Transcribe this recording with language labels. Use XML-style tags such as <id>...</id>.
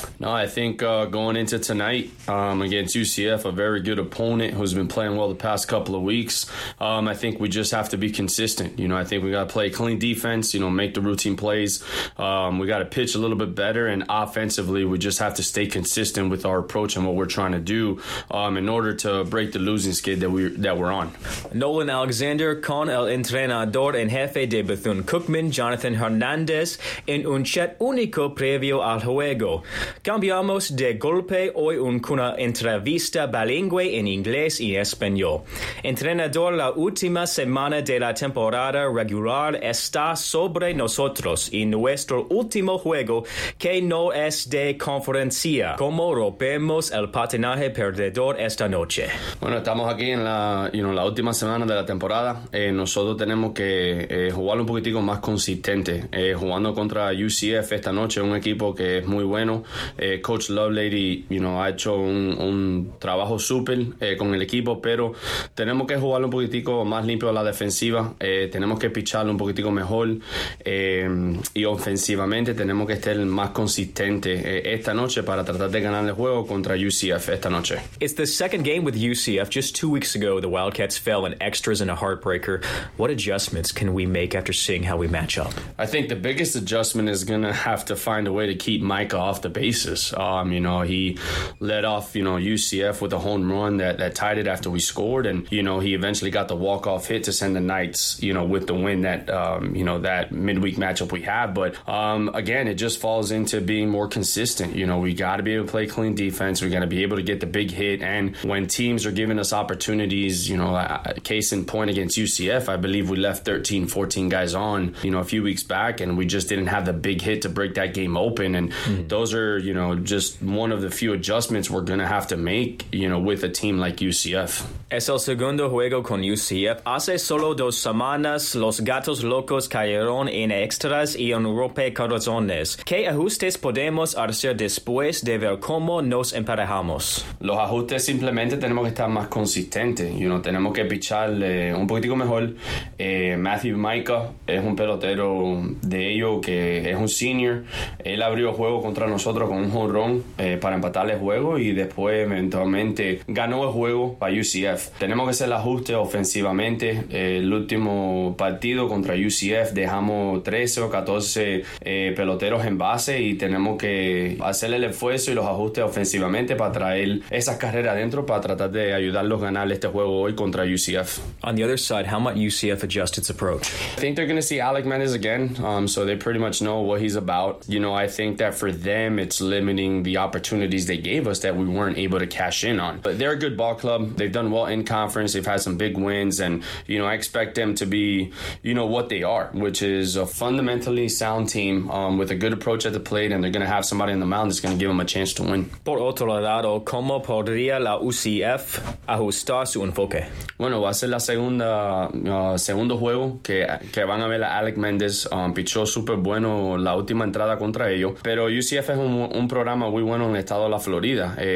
<en>No, I think going into tonight against UCF, a very good opponent who's been playing well the past couple of weeks, I think we just have to be consistent. You know, I think we got to play clean defense, you know, make the routine plays. We got to pitch a little bit better, and offensively, we just have to stay consistent with our approach and what we're trying to do in order to break the losing skid that we're on.</en> <es>Nolan Alexander con el entrenador en jefe de Bethune-Cookman, Jonathan Hernandez, en un chat único previo al juego. Cambiamos de golpe hoy una entrevista bilingüe en inglés y español. Entrenador, la última semana de la temporada regular está sobre nosotros y nuestro último juego que no es de conferencia. ¿Cómo rompemos el patinaje perdedor esta noche? Bueno, estamos aquí en la última semana de la temporada. Nosotros tenemos que jugar un poquitico más consistente. Jugando contra UCF esta noche, un equipo que es muy bueno. Coach Lovelady, ha hecho un trabajo súper con el equipo, pero tenemos que jugar un poquitico más limpio a la defensiva. Tenemos que picharlo un poquitico mejor. Y ofensivamente tenemos que estar más consistente esta noche para tratar de ganar el juego contra UCF esta noche.</es> <en>It's the second game with UCF. Just 2 weeks ago, the Wildcats fell in extras and a heartbreaker. What adjustments can we make after seeing how we match up? I think the biggest adjustment is going to have to find a way to keep Micah off the bases. He led off, UCF with a home run that tied it after we scored. And, he eventually got the walk-off hit to send the Knights, with the win that, that midweek matchup we have. But, again, it just falls into being more consistent. We got to be able to play clean defense. We got to be able to get the big hit. And when teams are giving us opportunities, case in point against UCF, I believe we left 13, 14 guys on, a few weeks back, and we just didn't have the big hit to break that game open. And those are, just one of the few adjustments we're going to have to make, with a team like UCF.</en> <es>Es el segundo juego con UCF. Hace solo dos semanas, los Gatos Locos cayeron en extras y en rompecorazones. ¿Qué ajustes podemos hacer después de ver cómo nos emparejamos? Los ajustes, simplemente tenemos que estar más consistentes. Tenemos que pichar un poquitico mejor. Matthew Micah es un pelotero de ellos que es un senior. Él abrió el juego contra nosotros con un jonrón para empatar el juego y después eventualmente ganó el juego para UCF. Tenemos que hacer el ajuste ofensivamente. El último partido contra UCF dejamos 13 o 14 peloteros en base y tenemos que hacer el esfuerzo y los ajustes ofensivamente para traer esas carreras adentro para tratar de ayudarlos a ganar este juego hoy contra UCF.</es> <en>On the other side, how might UCF adjust its approach? I think they're going to see Alec Mendez again, so they pretty much know what he's about. I think that for them, it's limiting the opportunities they gave us that we weren't able to cash in on. But they're a good ball club. They've done well in conference. They've had some big wins, and I expect them to be what they are, which is a fundamentally sound team with a good approach at the plate, and they're going to have somebody in the mound that's going to give them a chance to win.</en> <es>Por otro lado, ¿cómo podría la UCF ajustar su enfoque? Bueno, va a ser la segundo juego que van a ver a Alec Mendez. Pichó súper bueno la última entrada contra ellos, pero UCF es un programa muy bueno en el estado de la Florida.</es>